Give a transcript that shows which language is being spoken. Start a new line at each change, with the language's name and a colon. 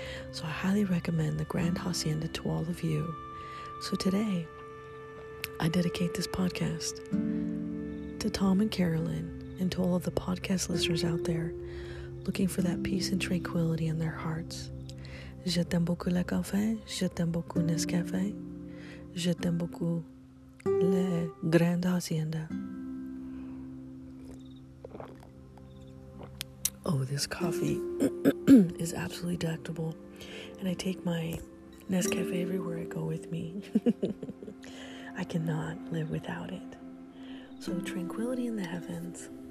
English: So I highly recommend the Grand Hacienda to all of you. So today, I dedicate this podcast to Tom and Carolyn and to all of the podcast listeners out there looking for that peace and tranquility in their hearts.
French: Je t'aime beaucoup le café, je t'aime beaucoup Nescafe, je t'aime beaucoup le Grand Hacienda.
English: Oh, this coffee is absolutely delectable, and I take my Nescafe everywhere I go with me. I cannot live without it. So, tranquility in the heavens.